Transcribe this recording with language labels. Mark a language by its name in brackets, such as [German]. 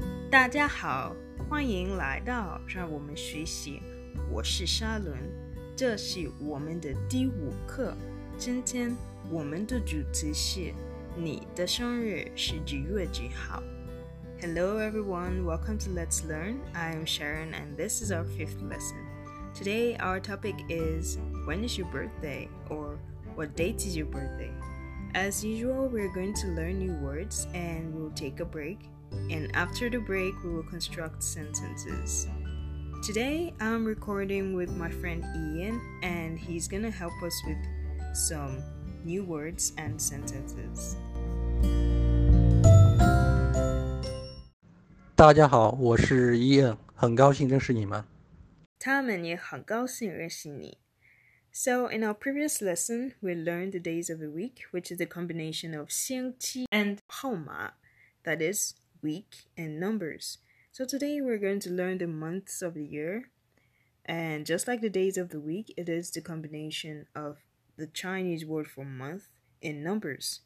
[Chinese] 大家好，欢迎来到让我们学习。我是沙伦，这是我们的第五课。今天我们的主题是你的生日是几月几号。 [English] Hello everyone, welcome to Let's Learn. I am Sharon and this is our fifth lesson. Today our topic is when is your birthday or what date is your birthday? As usual, we're going to learn new words and we'll take a break. And after the break, we will construct sentences. Today, I'm recording with my friend Ian, and he's gonna help us with some new words and sentences. [Chinese] 大家好，我是 Ian， 很高兴认识你们。他们也很高兴认识你。 [English] So, in our previous lesson, we learned the days of the week, which is a combination of 星期 and 号码, that is,week and numbers. So today we're going to learn the months of the year. And just like the days of the week, it is the combination of the Chinese word for month in numbers.